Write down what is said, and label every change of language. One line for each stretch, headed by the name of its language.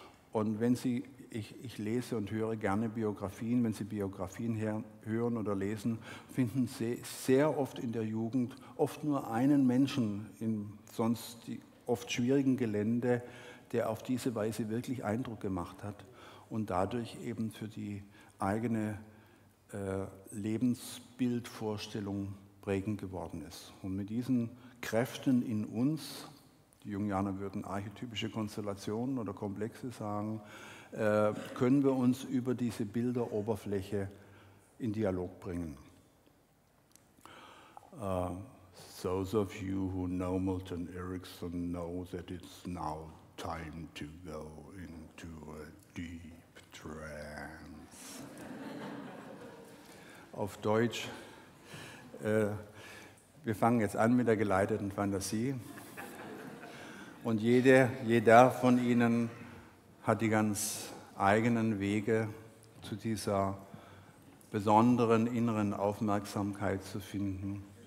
German: Und wenn Sie, ich lese und höre gerne Biografien, wenn Sie Biografien hören oder lesen, finden Sie sehr oft in der Jugend oft nur einen Menschen im sonst oft schwierigen Gelände, der auf diese Weise wirklich Eindruck gemacht hat und dadurch eben für die eigene Lebensbildvorstellung prägend geworden ist. Und mit diesen Kräften in uns, die Jungianer würden archetypische Konstellationen oder Komplexe sagen, können wir uns über diese Bilderoberfläche in Dialog bringen.
English: Those of you who know Milton Erickson know that it's now time to go into a deep trance.
German: Auf Deutsch, wir fangen jetzt an mit der geleiteten Fantasie. Und jeder von Ihnen hat die ganz eigenen Wege, zu dieser besonderen inneren Aufmerksamkeit zu finden.